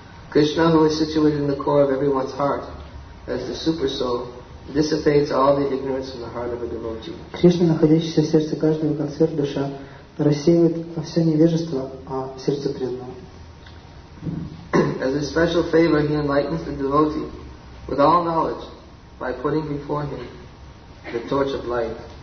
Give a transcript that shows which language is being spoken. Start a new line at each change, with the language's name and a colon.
English: Krishna, who is situated in the core of everyone's heart as the super soul, dissipates all the ignorance in the heart of a devotee.
Russian: Krishna, находящийся в сердце каждого, как сверх душа, рассеивает все невежество в сердце преданного.
English: As a special favor, he enlightens the devotee with all knowledge by putting before him the torch of light.